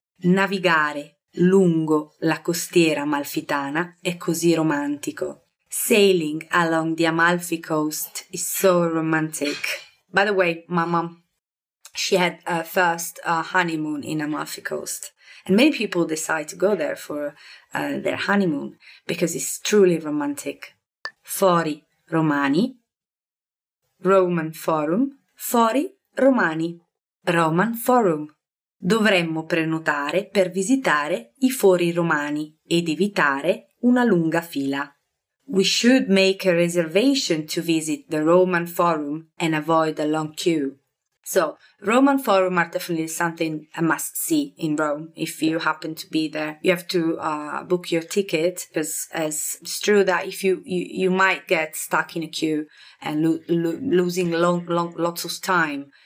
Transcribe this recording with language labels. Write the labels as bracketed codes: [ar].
[it] Navigare lungo la costiera amalfitana è così romantico. [en] Sailing along the Amalfi Coast is so romantic. By the way, my mom, she had her first honeymoon in Amalfi Coast. And many people decide to go there for their honeymoon because it's truly romantic. Fori Romani, Roman Forum, Fori Romani, Roman Forum. [it] Dovremmo prenotare per visitare i fori romani ed evitare una lunga fila. [en] We should make a reservation to visit the Roman Forum and avoid a long queue. So, Roman Forum are definitely something a must see in Rome. If you happen to be there, you have to book your ticket because it's true that if you might get stuck in a queue and losing long lots of time.